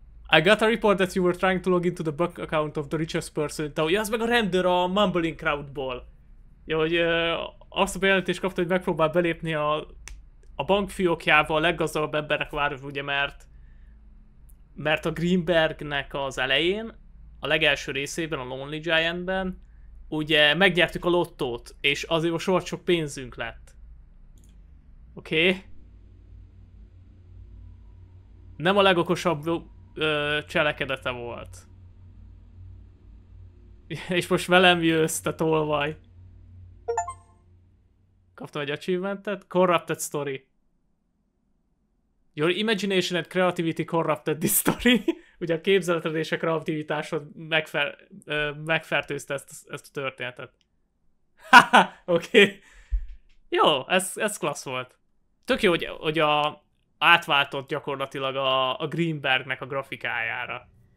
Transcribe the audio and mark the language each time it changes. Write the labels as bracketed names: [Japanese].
[English] I got a report that you were trying to log into the bank account of the richest person. [Hungarian] Tehát, ja, az meg a rendőr a Mumbling Crowdból. Ja, hogy azt a bejelentést kapta, hogy megpróbál belépni a bank fiókjával a leggazdagabb embernek várva, ugye, mert a Greenbergnek az elején, a legelső részében, a Lonely Giantben, ugye megnyertük a lottót, és azért most olyan sok pénzünk lett. Oké? Okay? Nem a legokosabb cselekedete volt. És most velem jössz, te tolvaj. Kaptam egy achievementet? [English] Corrupted story. Your imagination and creativity corrupted this story. [Hungarian] Ugye a képzeleted és a kreativitásod megfertőzte ezt a történetet. Haha, oké. Okay. Jó, ez klassz volt. Tök jó, hogy átváltott gyakorlatilag a Greenbergnek a grafikájára.